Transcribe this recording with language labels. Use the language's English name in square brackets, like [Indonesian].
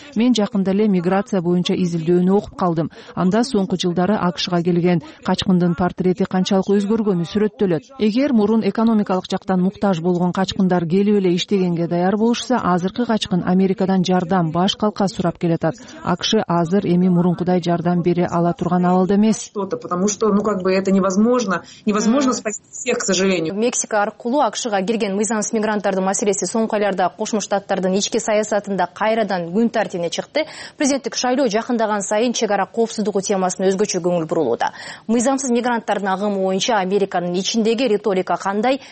[Kyrgyz] Мен жакында эле миграция боюнча изилдөөнү окуп калдым. Анда соңку жылдары АКШга келген качкындын портрети канчалык өзгөргөнү сүрөттөлөт. Эгер мурун экономикалык жактан муктаж болгон качкындар келип эле иштегенге даяр болушса, азыркы качкын Америкадан жардам, баш калка сурап келатат. АКШ азыр эми мурункудай жардам бере ала турган абалда эмес. [Russian] Потому что, ну как бы это невозможно, невозможно спасти всех, к сожалению. [Kyrgyz] Мексика аркылуу АКШга кирген мыйзамсыз мигранттардын маселеси соңку айларда Кошмо Штаттардын ички саясатында кайрадан күн тартибине чыкты. Президенттик шайлоо жакындаган сайын чек ара коопсуздугу темасына өзгөчө көңүл бурулууда. Мыйзамсыз мигранттардын агымы боюнча Американын ичиндеги риторика кандай?